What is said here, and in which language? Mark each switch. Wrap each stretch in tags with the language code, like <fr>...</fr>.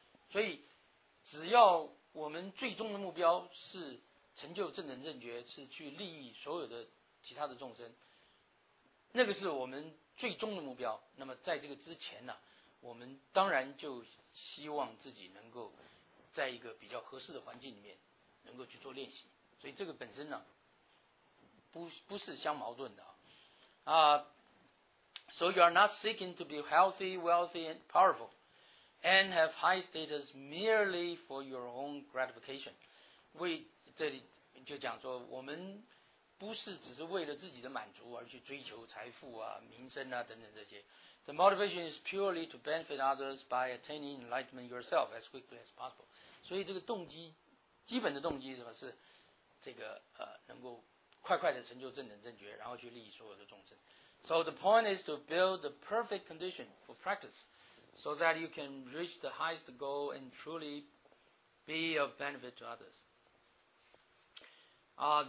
<zh>所以只要我们最终的目标是成就正等正觉，是去利益所有的其他的众生，那个是我们最终的目标。那么在这个之前呢，我们当然就希望自己能够在一个比较合适的环境里面能够去做练习。所以这个本身呢，不是相矛盾的啊。</zh> <en>So you are not seeking to be healthy, wealthy, and powerful, and have high status merely for your own gratification.</en> <zh>为这里就讲说，我们不是只是为了自己的满足而去追求财富啊、名声啊等等这些。</zh> <en>The motivation is purely to benefit others by attaining enlightenment yourself as quickly as possible.</en> <zh>所以这个动机，基本的动机是吧？是这个能够快快的成就正等正觉，然后去利益所有的众生。</zh> <en>So the point is to build the perfect condition for practice, so that you can reach the highest goal and truly be of benefit to others.</en>